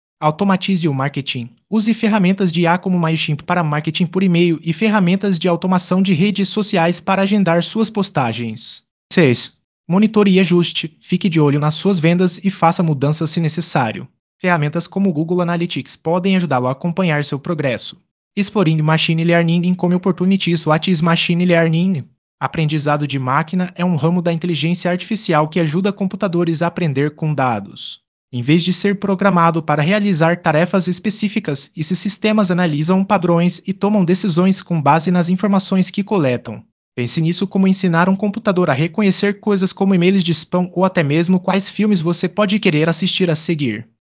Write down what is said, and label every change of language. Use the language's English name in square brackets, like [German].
[Portuguese] Automatize o marketing. Use ferramentas de IA como Mailchimp para marketing por e-mail e ferramentas de automação de redes sociais para agendar suas postagens. 6. Monitore e ajuste. Fique de olho nas suas vendas e faça mudanças se necessário. Ferramentas como Google Analytics podem ajudá-lo a acompanhar seu progresso. [English] Exploring Machine Learning in Come Opportunities What is Machine Learning? [Portuguese] Aprendizado de máquina é um ramo da inteligência artificial que ajuda computadores a aprender com dados. Em vez de ser programado para realizar tarefas específicas, esses sistemas analisam padrões e tomam decisões com base nas informações que coletam. Pense nisso como ensinar um computador a reconhecer coisas como e-mails de spam ou até mesmo quais filmes você pode querer assistir a seguir.